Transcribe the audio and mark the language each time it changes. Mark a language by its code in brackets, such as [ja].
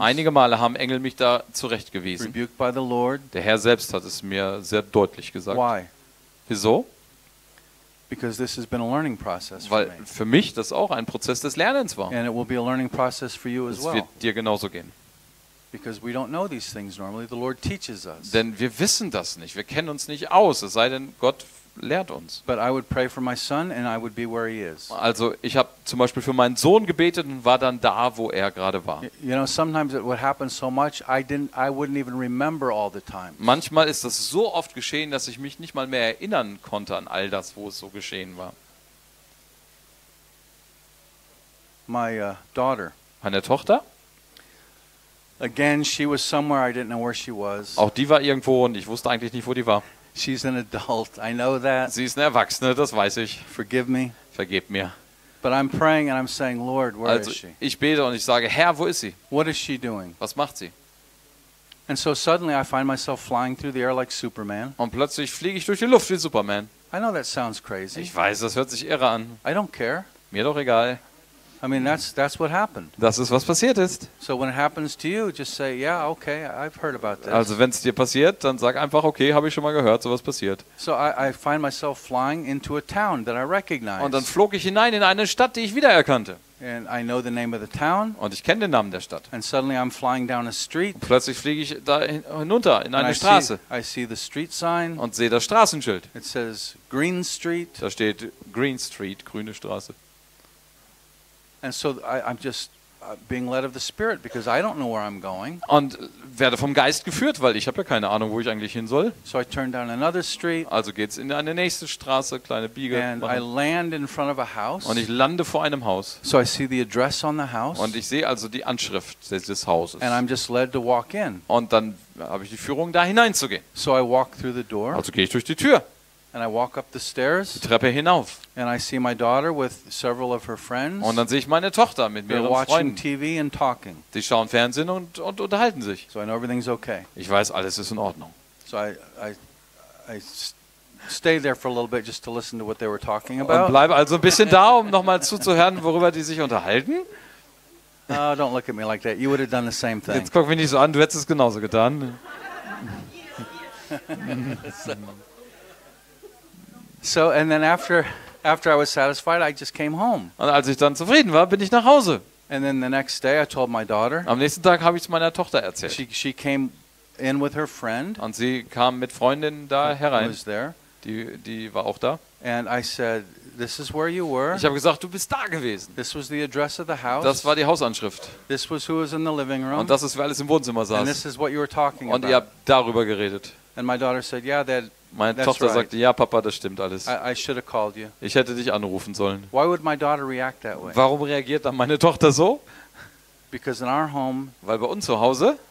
[de] Einige Male haben Engel mich da zurechtgewiesen. [en] Rebuked by the Lord. [de] Der Herr selbst hat es mir sehr deutlich gesagt. [en] Why? [de] Wieso? [en] Because this has been a learning process. [de] Weil für mich das auch ein Prozess des Lernens war. [en] And it will be a learning process for you as well. [de] Es wird dir genauso gehen. [en] Because we don't know these things normally, the Lord teaches us. [de] Denn wir wissen das nicht. Wir kennen uns nicht aus. Es sei denn, Gott lehrt uns. [en] But I would pray for my son and I would be where he is. [de] Also, ich habe zum Beispiel für meinen Sohn gebetet und war dann da, wo er gerade war. [en] You know, sometimes it would happen so much I wouldn't even remember all the times. [de] Manchmal ist das so oft geschehen, dass ich mich nicht mal mehr erinnern konnte an all das, wo es so geschehen war. [en] My daughter. [de] Meine Tochter. [en] Again, she was somewhere I didn't know where she was. [de] Auch die war irgendwo und ich wusste eigentlich nicht, wo die war. [en] She's an adult. I know that. [de] Sie ist eine Erwachsene, das weiß ich. [en] Forgive me. [de] Vergib mir. [en] But I'm praying and I'm saying, Lord, where [de] also, [en] is she? [de] Ich bete und ich sage, Herr, wo ist sie? [en] What is she doing? [de] Was macht sie? [en] And so suddenly I find myself flying through the air like Superman. [de] Und plötzlich fliege ich durch die Luft wie Superman. [en] I know that sounds crazy. [de] Ich weiß, das hört sich irre an. [en] I don't care. [de] Mir doch egal. [en] I mean that's what happened. [de] Das ist was passiert ist. [en] So when it happens to you, just say, yeah, okay, I've heard about this. [de] Also wenn es dir passiert, dann sag einfach, okay, habe ich schon mal gehört, sowas passiert. [en] So I find myself flying into a town that I recognize. [de] Und dann flog ich hinein in eine Stadt, die ich wiedererkannte. [en] And I know the name of the town. [de] Und ich kenne den Namen der Stadt. [en] And suddenly I'm flying down a street. [de] Und plötzlich fliege ich da hinunter in eine Straße. [en] I see the street sign. [de] Und sehe das Straßenschild. [en] It says Green Street. [de] Da steht Green Street, grüne Straße. [en] And so I'm just being led of the Spirit because I don't know where I'm going. [de] Und werde vom Geist geführt, weil ich habe ja keine Ahnung, wo ich eigentlich hin soll. [en] So I turn down another street. [de] Also geht's in eine nächste Straße, kleine Biege. [en] And I land in front of a house. [de] Und ich lande vor einem Haus. [en] So I see the address on the house. [de] Und ich sehe also die Anschrift des Hauses. [en] And I'm just led to walk in. [de] Und dann habe ich die Führung, da hineinzugehen. [en] So I walk through the door. [de] Also gehe ich durch die Tür. [en] And I walk up the stairs. [de] Die Treppe hinauf. [en] And I see my daughter with several of her friends. [de] Und dann sehe ich meine Tochter mit mehreren Freunden. [en] They're watching TV and talking. [de] Die schauen Fernsehen und unterhalten sich. [en] So I know everything's okay. [de] Ich weiß, alles ist in Ordnung. [en] So I stay there for a little bit just to listen to what they were talking about. [de] Und bleibe also ein bisschen da, um nochmal zuzuhören, worüber die sich unterhalten. [en] Oh, don't look at me like that. You would have done the same thing. [de] Jetzt guck mich nicht so an, du hättest es genauso getan. [en] So and then after I was satisfied, I just came home. [de] Und als ich dann zufrieden war, bin ich nach Hause. [en] And then the next day, I told my daughter. [de] Am nächsten Tag habe ich es meiner Tochter erzählt. [en] She came in with her friend. [de] Und sie kam mit Freundin da herein. [en] Was there? [de] Die war auch da. [en] And I said, "This is where you were." [de] Ich habe gesagt, du bist da gewesen. [en] This was the address of the house. [de] Das war die Hausanschrift. [en] This was who was in the living room. [de] Und das ist, wer alles im Wohnzimmer saß. [en] And this is what you were talking [de] und [en] about. [de] Und ihr habt darüber geredet. [en] And my daughter said, "Yeah, that." [de] Meine [en] That's [de] Tochter [en] right. [de] sagte, ja, Papa, das stimmt alles. [en] I should have called you. [de] Ich hätte dich anrufen sollen. [en] Why would my daughter react that way? [de] Warum reagiert dann meine Tochter so? [en] Because in our home, [de] weil bei uns zu Hause